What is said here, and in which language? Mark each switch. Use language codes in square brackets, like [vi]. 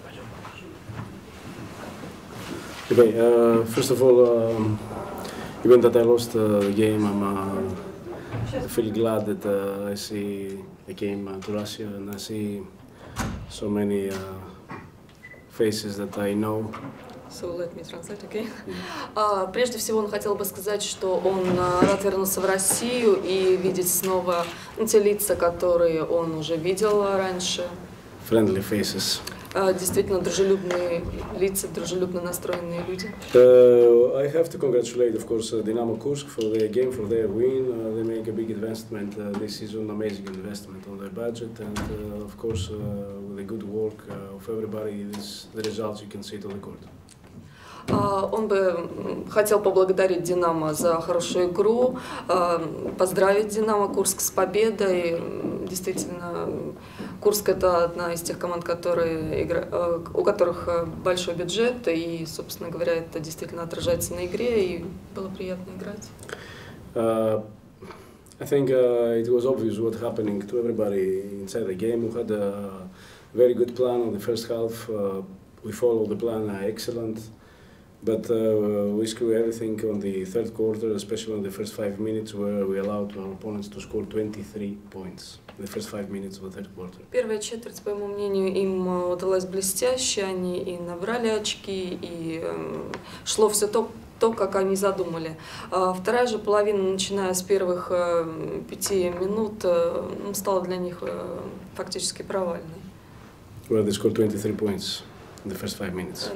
[en] Okay, first of all, even that I lost the game, I'm feel glad that I see I came to Russia and I see so many faces that I know. So let me translate, okay? [ru] Прежде всего, он хотел бы сказать, что он рад вернуться в Россию и видеть снова те лица, которые он уже видел раньше. [en] Friendly faces. [ru] Действительно, дружелюбные лица, дружелюбно настроенные люди. [en] I have to congratulate, of course, Dynamo Kursk for their game, for their win. They make a big investment this season, amazing investment on their budget, and of course, with the good work of everybody, this, the results you can see it on the court. [ru] Он бы хотел поблагодарить «Динамо» за хорошую игру, поздравить «Динамо Курск» с победой. Действительно, «Курск» — это одна из тех команд, которые у которых большой бюджет, и, собственно говоря, это действительно отражается на игре, и было приятно играть. [en] I think it was obvious what happening to everybody inside the game. We had a very good plan on the first half. We followed the plan excellent. But we screwed everything on the third quarter, especially on the first 5 minutes, where we allowed our opponents to score 23 points in the first 5 minutes of the third quarter. [ru] Первая четверть, по моему мнению, им удалась блестяще. Они и набрали очки, и шло все то, как они задумали. Вторая же половина, начиная с первых 5 минут, стала для них фактически провальной. [en] Well, they scored 23 points in the first 5 minutes.